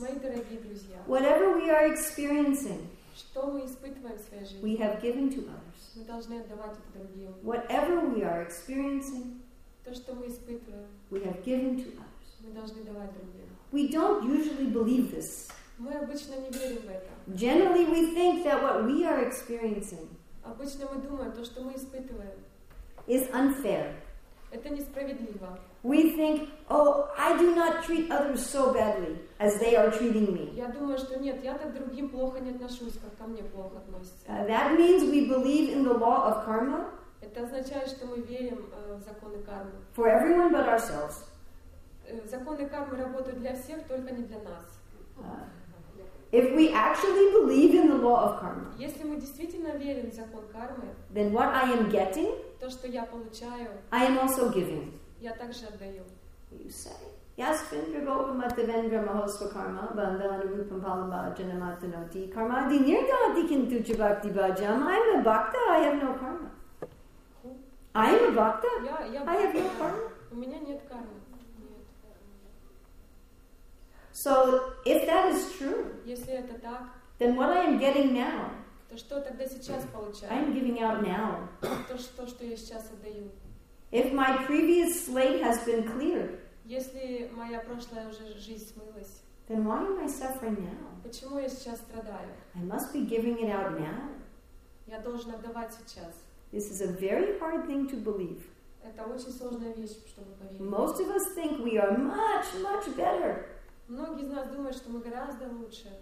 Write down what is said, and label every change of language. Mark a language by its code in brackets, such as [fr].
[ru] мои дорогие друзья, [en] whatever we are experiencing, [ru] что мы испытываем в своей жизни, [en] we have given to others. [ru] Мы должны отдавать это другим. [en] Whatever we are experiencing, [ru] то, что мы испытываем, [en] we have given to others. [ru] Мы должны давать другим. [en] We don't usually believe this. [ru] Мы обычно не верим в это. [en] Generally we think that what we are experiencing, [ru] обычно мы думаем, то, что мы испытываем, [en] is unfair. [ru] Это несправедливо. [en] We think, oh, I do not treat others so badly as they are treating me. [ru] Я думаю, что нет, я так другим плохо не отношусь, как ко мне плохо относятся. [en] That means we believe in the law of karma. [ru] Это означает, что мы верим в законы кармы. [en] For everyone but ourselves. [ru] Законы кармы работают для всех, только не для нас. [en] If we actually believe in the law of karma, [ru] если мы действительно верим в закон кармы, [en] then what I am getting, [ru] то, что я получаю, [en] I am also giving. [ru] Я также отдаю. [en] You say, Yes, [sa] Vindra Gopa Matavendra Mahoswa Karma, Bandana Rupam Palambhajana Matanoti, Karma Adi Nirgati Kintucha Bhakti Bhajam, [en] I am a Bhakta, I have no karma. Who? I am a Bhakta? Yeah, I have no karma. [ru] У меня нет кармы. [en] So if that is true, [ru] если это так, [en] then what I am getting now, [ru] то что тогда сейчас получаю, [en] I am giving out now. [ru] То, что я сейчас отдаю. [en] If my previous slate has been cleared, [ru] если моя прошлая уже жизнь смылась, [en] then why am I suffering now? [ru] Почему я сейчас страдаю? [en] I must be giving it out now. [ru] Я должен отдавать сейчас. [en] This is a very hard thing to believe. [ru] Это очень сложная вещь, чтобы поверить. [en] Most of us think we are much, much better. [ru] Многие из нас думают, что мы гораздо лучше.